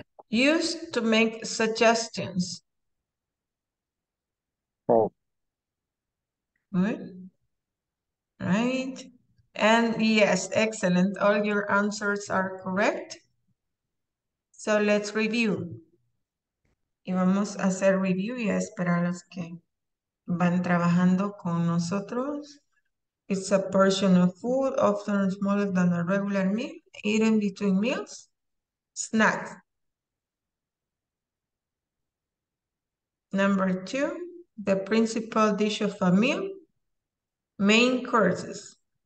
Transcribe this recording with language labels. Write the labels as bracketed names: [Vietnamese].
[English] Used to make suggestions. Oh. Good. Right. And yes, excellent. All your answers are correct. So let's review. [Spanish] Y vamos a hacer review y a esperar a los que van trabajando con nosotros. [English] It's a portion of food, often smaller than a regular meal, eaten between meals. Snack. Number two, the principal dish of a meal. Main courses.